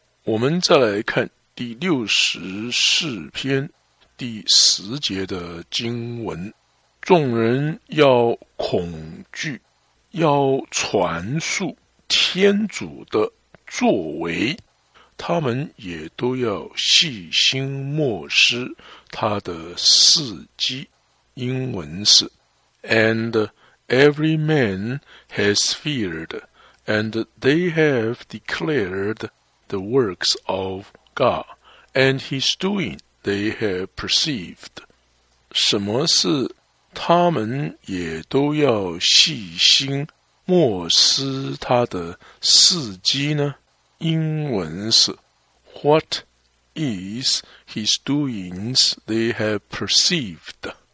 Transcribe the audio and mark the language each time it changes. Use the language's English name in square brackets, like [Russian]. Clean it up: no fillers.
[Chinese] 我们再来看第64:10第10的经文，众人要恐惧，要传述天主的作为，他们也都要细心默思他的事迹。英文是 [English] And every man has feared, and they have declared the works of God, and his doing. They have perceived. [Chinese] 什么是他们也都要细心默思他的事迹呢？英文是 [English] What is his doings they have perceived?